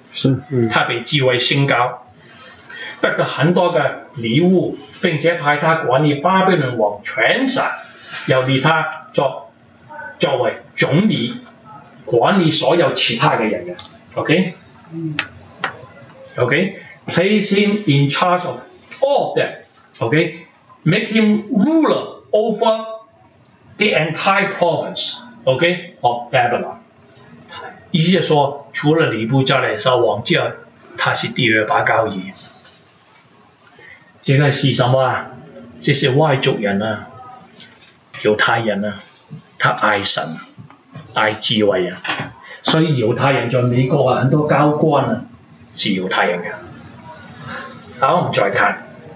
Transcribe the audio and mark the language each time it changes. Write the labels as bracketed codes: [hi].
[zh] 是，他被智慧升高，得到很多的礼物，并且派他管理巴比伦王全省，又立他作为总理，管理所有其他的人嘅。 [en] OK， place him in charge of all them。 OK。 Make him ruler over the entire province, OK, of Babylon. [zh] 意思是说，除了尼布加勒撒王之外，他是第二把交椅。这个是什么啊？这是外族人啊，犹太人啊，他爱神，爱智慧啊，所以犹太人在美国啊，很多高官啊，是犹太人嘅。好，我们再看。